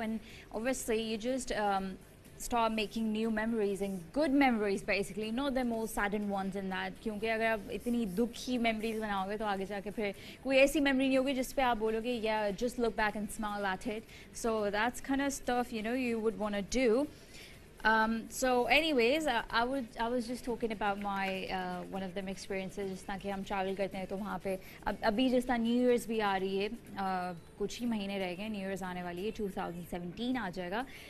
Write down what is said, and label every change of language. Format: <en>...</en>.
<en>And obviously you just start making new memories and good memories basically, not the most saddened ones in that.</en> <hi>क्योंकि अगर आप इतनी दुखी memories बनाओगे तो आगे जाके फिर कोई ऐसी मेमोरी नहीं होगी जिस पर आप बोलोगे या</hi> <en>Just look back and smile at it. So that's kind of stuff you know you would want to do. So anyways, I was just talking about my one of them experiences.</en> <hi>जिस तरह कि हम travel करते हैं तो वहाँ पर अभी जिस तरह New Year's भी आ रही है, कुछ ही महीने रह गए New Year's आने वाली है, 2017 आ जाएगा.</hi>